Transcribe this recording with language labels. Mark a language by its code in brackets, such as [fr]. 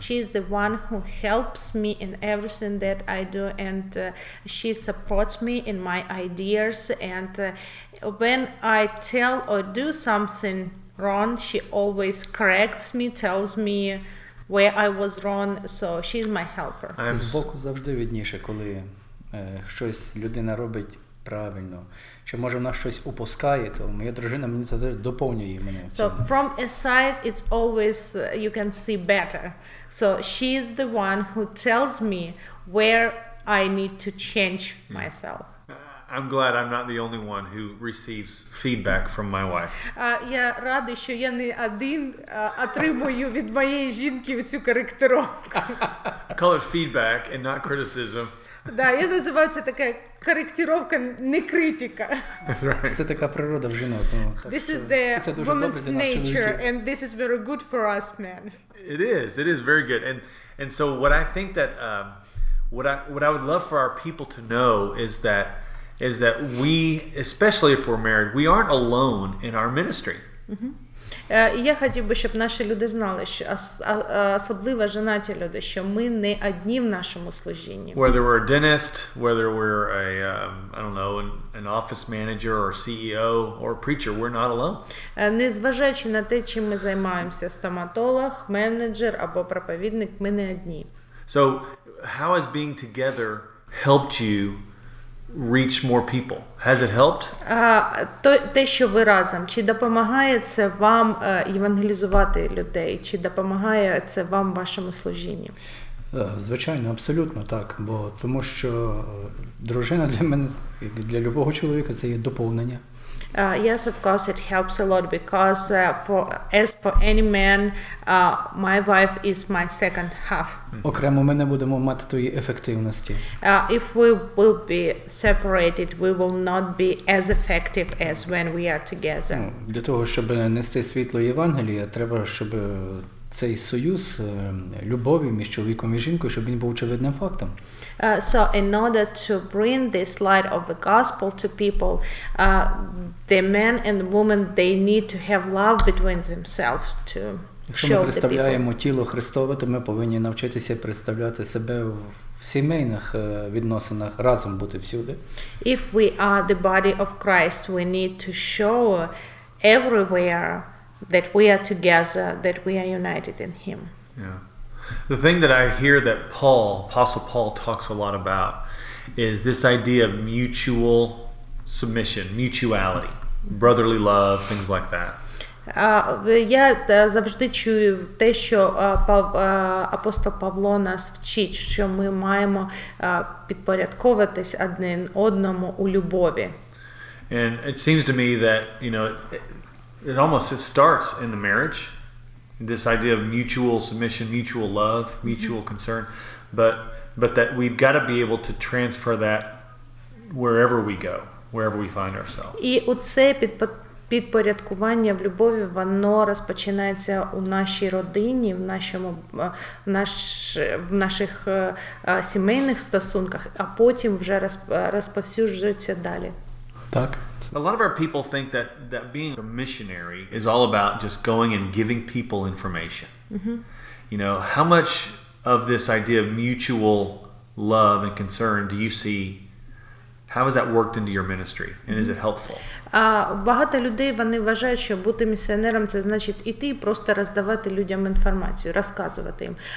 [en] She is the one who helps me in everything that I do, and she supports me in my ideas. And when I tell or do something wrong, she always corrects me, tells me where I was wrong, so she's my helper. [uk] З боку завжди видніше, коли щось людина робить правильно. Чи може вона щось упускає, то моя дружина мені завжди доповнює мене. [en] So from a side it's always you can see better. So she's the one who tells me where I need to change myself. I'm glad I'm not the only one who receives feedback from my wife. [uk] Я радий, що я не один отримую від моєї жінки цю коректировку. [en] Call it feedback and not criticism. [uk] Да, я називаю це така коректировка, не критика. Це така природа в жінок. [en] This is the woman's nature and this is very good for us men. It is very good. And so what I think that what I would love for our people to know is that we, especially if we're married, we aren't alone in our ministry. [uk] Я хотів би, щоб наші люди знали, що особливо женаті люди, що ми не одні в нашому служінні. [en] Whether we're a dentist, whether we're a I don't know, an office manager or CEO or preacher, we're not alone. [uk] Незважаючи на те, чим ми займаємося, стоматолог, менеджер або проповідник, ми не одні. [en] So, how has being together helped you reach more people? Has it helped? [uk] Те, що ви разом, чи допомагає це вам евангелізувати людей, чи допомагає це вам в вашому служінні? Звичайно, абсолютно так, бо тому що дружина для мене, як для любого чоловіка, це є доповнення. [en] Yes, of course, it helps a lot because for any man, my wife is my second half. [uk] Окремо ми не будемо мати тої ефективності. [en] If we will be separated, we will not be as effective as when we are together. [uk] Для того, щоб нести світло Євангелія, треба, щоб цей союз любові між чоловіком і жінкою, щоб він був очевидним фактом. [en] So in order to bring this light of the gospel to people, the man and the woman, they need to have love between themselves to show the people. [uk] Якщо ми представляємо тіло Христове, то ми повинні навчитися представляти себе в сімейних відносинах, разом бути всюди. [en] If we are the body of Christ, we need to show everywhere that we are together, that we are united in Him. Yeah. The thing that I hear that Paul, Apostle Paul, talks a lot about is this idea of mutual submission, mutuality, brotherly love, things like that. [uk] Я завжди чую те, що апостол Павло нас вчить, що ми маємо підпорядковуватись один одному у любові. [en] And it seems to me that, you know, it almost it starts in the marriage. This idea of mutual submission, mutual love, mutual concern, but that we've got to be able to transfer that wherever we go, wherever we find ourselves. [uk] І оце підпорядкування в любові, воно розпочинається у нашій родині, в наших сімейних стосунках, а потім вже розповсюджується далі. Так. [en] A lot of our people think that being a missionary is all about just going and giving people information. Mm-hmm. You know, how much of this idea of mutual love and concern do you see? How has that worked into your ministry? And mm-hmm. is it helpful? [uk] Багато людей, вони вважають, що бути місіонером – це значить іти і просто роздавати людям інформацію, розказувати їм.